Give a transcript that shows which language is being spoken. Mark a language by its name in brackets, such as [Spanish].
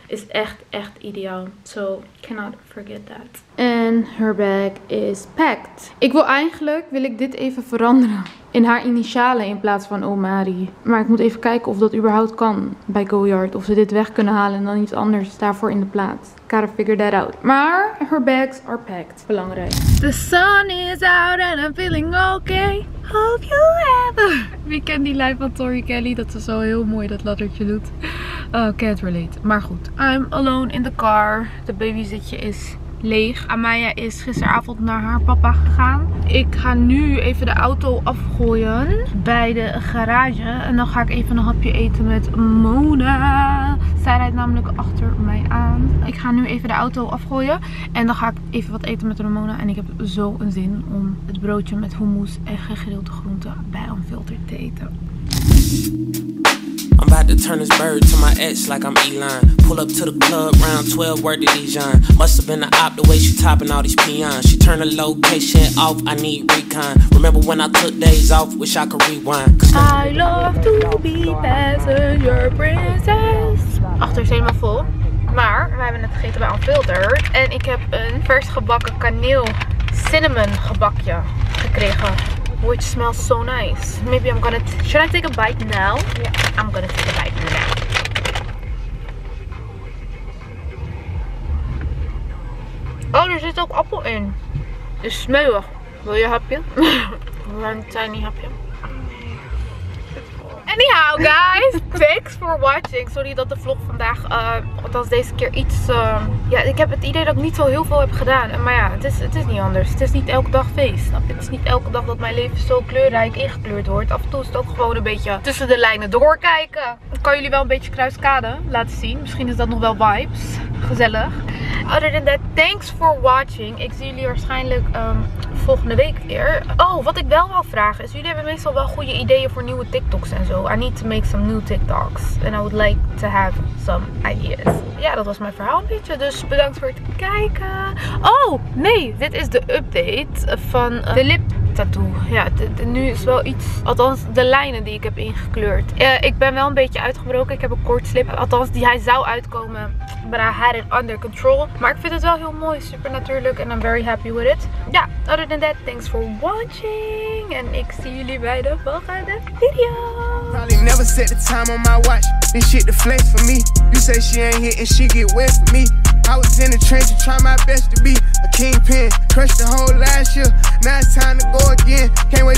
[Dutch] Is echt, echt ideaal. [English] So, cannot forget that. And her bag is packed. [Dutch] Ik wil eigenlijk, wil ik dit even veranderen. In haar initialen in plaats van Omari. Maar ik moet even kijken of dat überhaupt kan bij Goyard. Of ze dit weg kunnen halen en dan iets anders daarvoor in de plaats. [English] Gotta figure that out. Maar her bags are packed. [Dutch] Belangrijk. [English] The sun is out and I'm feeling okay. Hope you ever. [Dutch] Wie kent die lijf van Tori Kelly? Dat ze zo heel mooi dat laddertje doet. [English] Oh, can't relate. [Dutch] Maar goed. [English] I'm alone in the car. [Dutch] De babyzitje is leeg. Amaya is gisteravond naar haar papa gegaan. Ik ga nu even de auto afgooien bij de garage. En dan ga ik even een hapje eten met Mona. Zij rijdt namelijk achter mij aan. Ik ga nu even de auto afgooien. En dan ga ik even wat eten met Mona. En ik heb zo een zin om het broodje met hummus en gegrilde groenten bij een filter te eten. [English] I'm about to turn this bird to my ex like I'm Elon. Pull up to the club, round 12, word to Dijon. Must have been the op the way she topping all these peons. She turned the location off, I need recon. Remember when I took days off, wish I could rewind. I love to be passenger princess. [Dutch] Achter is helemaal vol, maar we hebben het gegeten bij Unfiltered. En ik heb een vers gebakken kaneel cinnamon gebakje gekregen. [English] Which smells so nice. Maybe I'm gonna... Should I take a bite now? Yeah. I'm gonna take a bite now. [Dutch] Oh, er zit ook appel in. Is smeuig. Wil je een hapje? Een tiny hapje. [English] Anyhow, guys. Thanks for watching. [Dutch] Sorry dat de vlog vandaag, althans deze keer iets... Ja, ik heb het idee dat ik niet zo heel veel heb gedaan. Maar ja, het is niet anders. Het is niet elke dag feest. Het is niet elke dag dat mijn leven zo kleurrijk ingekleurd wordt. Af en toe is het ook gewoon een beetje tussen de lijnen doorkijken. Ik kan jullie wel een beetje kruiskaden laten zien. Misschien is dat nog wel vibes. Gezellig. [English] other than that, thanks for watching. [Dutch] Ik zie jullie waarschijnlijk volgende week weer. Oh, wat ik wel wil vragen is, jullie hebben meestal wel goede ideeën voor nieuwe TikToks en zo. [English] I need to make some new TikToks. And I would like to have some ideas. [Dutch] Ja, dat was mijn verhaal een beetje. Dus bedankt voor het kijken. Oh, nee. Dit is de update van de lip tattoo. Ja, nu is wel iets. Althans, de lijnen die ik heb ingekleurd. Ik ben wel een beetje uitgebroken. Ik heb een kort slip. Althans, die hij zou uitkomen. [English] But I had it under control. [Dutch] Maar ik vind het wel heel mooi. Super natuurlijk. [English] And I'm very happy with it. Ja, yeah, other than that, thanks for watching. [Dutch] En ik zie jullie bij de volgende video. [English] Probably never set the time on my watch. This shit the flex for me. You say she ain't here and she get wet for me. I was in the trench and try my best to be a kingpin. Crushed the whole last year. Now it's time to go again. Can't wait.